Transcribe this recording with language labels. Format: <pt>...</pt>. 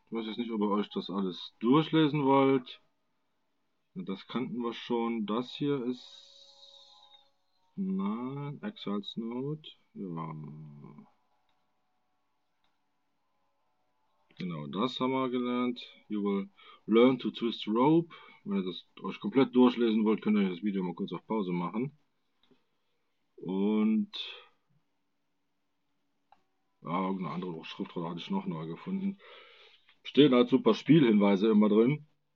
<de>Ich weiß jetzt nicht, ob ihr euch das alles durchlesen wollt. Das kannten wir schon. Das hier ist. Nein, Exiles Note. Ja. Genau, das haben wir gelernt.</de> <en>You will learn to twist rope.</en> <de>Wenn ihr das euch komplett durchlesen wollt, könnt ihr euch das Video mal kurz auf Pause machen. Und ja, irgendeine andere Schriftrolle hatte ich noch neu gefunden. Stehen halt super Spielhinweise immer drin.</de>